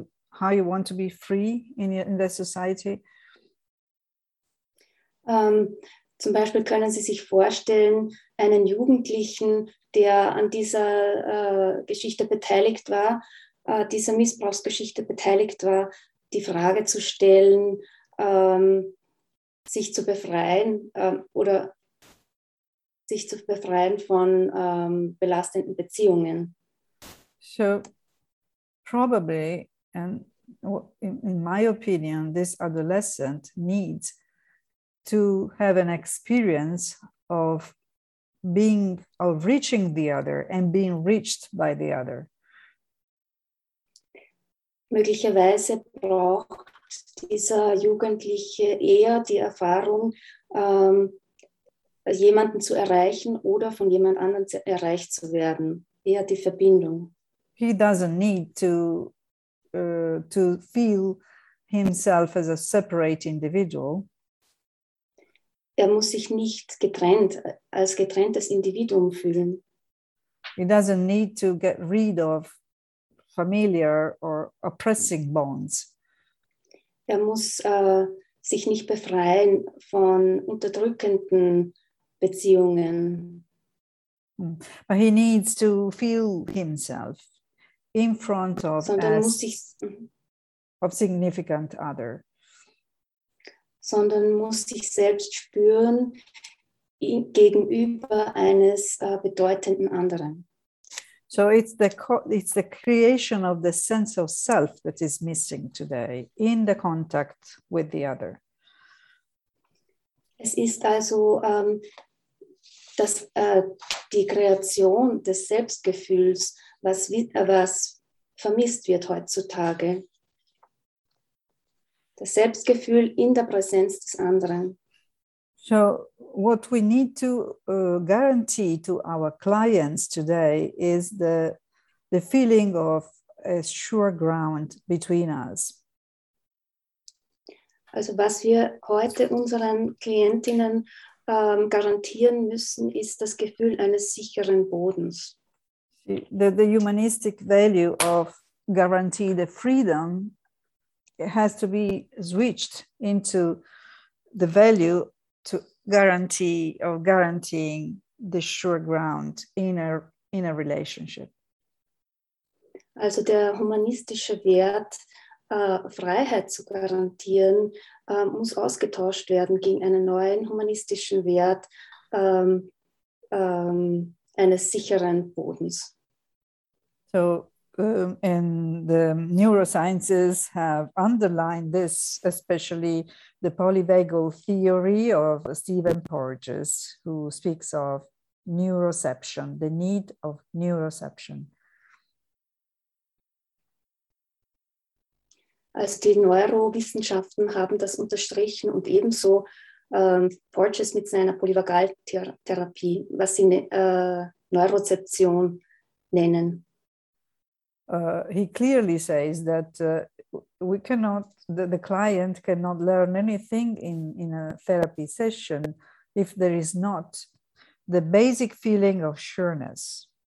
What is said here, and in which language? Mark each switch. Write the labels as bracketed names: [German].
[English] How you want to be free in the society? [German] Zum Beispiel können Sie sich vorstellen, einen Jugendlichen, der an dieser Geschichte beteiligt war, dieser Missbrauchsgeschichte beteiligt war, die Frage zu stellen, sich zu befreien oder sich zu befreien von belastenden Beziehungen. [English] So, probably, and in my opinion, this adolescent needs to have an experience of reaching the other and being reached by the other. [German] Möglicherweise braucht dieser Jugendliche eher die Erfahrung, jemanden zu erreichen oder von jemand anderem erreicht zu werden, eher die Verbindung. [English] He doesn't need to feel himself as a separate individual. [German] Er muss sich nicht getrennt, als getrenntes Individuum fühlen. [English] He doesn't need to get rid of familiar or oppressing bonds. [German] Er muss sich nicht befreien von unterdrückenden Beziehungen. [English] But he needs to feel himself in front of a significant other. [German] Sondern muss sich selbst spüren gegenüber eines bedeutenden anderen. [English] So it's the creation of the sense of self that is missing today in the contact with the other. [German] Es ist also die Kreation des Selbstgefühls, was vermisst wird heutzutage. Das Selbstgefühl in der Präsenz des anderen. [English] So, what we need to guarantee to our clients today is the feeling of a sure ground between us. [German] Also, was wir heute unseren Klientinnen garantieren müssen, ist das Gefühl eines sicheren Bodens. [English] The humanistic value of guarantee the freedom. It has to be switched into the value to guarantee or guaranteeing the sure ground in a relationship. [German] Also der humanistische Wert, Freiheit zu garantieren, muss ausgetauscht werden gegen einen neuen humanistischen Wert eines sicheren Bodens. [English] So, and the neurosciences have underlined this, especially the polyvagal theory of Stephen Porges, who speaks of neuroception, the need of neuroception. [German] Also die Neurowissenschaften haben das unterstrichen und ebenso Porges mit seiner Polyvagaltherapie, was sie Neurozeption nennen. [English] He clearly says that the client cannot learn anything in a therapy session if there is not the basic feeling of sureness.